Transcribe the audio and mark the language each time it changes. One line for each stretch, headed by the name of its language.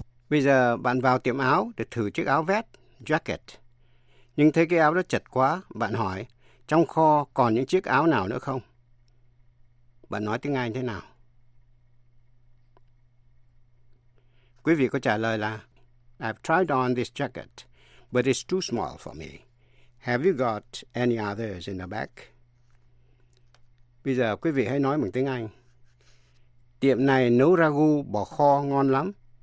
Vietnamese: Bây giờ bạn vào tiệm áo để thử chiếc áo vest, jacket. Nhưng thấy cái áo đó chật quá, bạn hỏi, trong kho còn những chiếc áo nào nữa không? Bạn nói tiếng Anh thế nào? Quý vị có trả lời là,
English: I've tried on this jacket, but it's too small for me. Have you got any others in the back?
Vietnamese: Bây giờ quý vị hãy nói bằng tiếng Anh. Tiệm này nấu ragu bỏ kho ngon lắm.